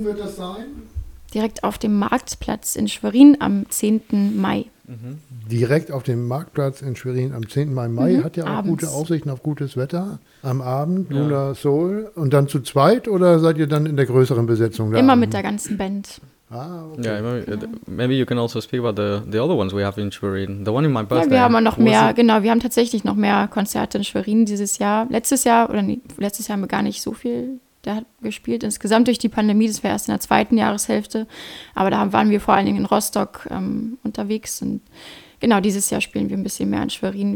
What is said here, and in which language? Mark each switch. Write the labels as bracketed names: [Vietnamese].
[German] Wo wird das sein? Direkt auf dem Marktplatz in Schwerin am 10. Mai. Mhm. Direkt auf dem Marktplatz in Schwerin am 10. Mai. Mai hat ja auch abends. Gute Aussichten auf gutes Wetter. Am Abend, ja. Luna Soul. Und dann zu zweit oder seid ihr dann in der größeren Besetzung da? Immer mit der ganzen Band. [English] Ah, okay. Yeah, maybe you can also speak about the other ones we have in Schwerin. The one in my birthday. [German] Ja, wir haben auch noch mehr, genau, wir haben tatsächlich noch mehr Konzerte in Schwerin dieses Jahr. Letztes Jahr haben wir gar nicht so viel da gespielt. Insgesamt durch die Pandemie, das war erst in der zweiten Jahreshälfte. Aber da waren wir vor allen Dingen in Rostock unterwegs. Und genau, dieses Jahr spielen wir ein bisschen mehr in Schwerin.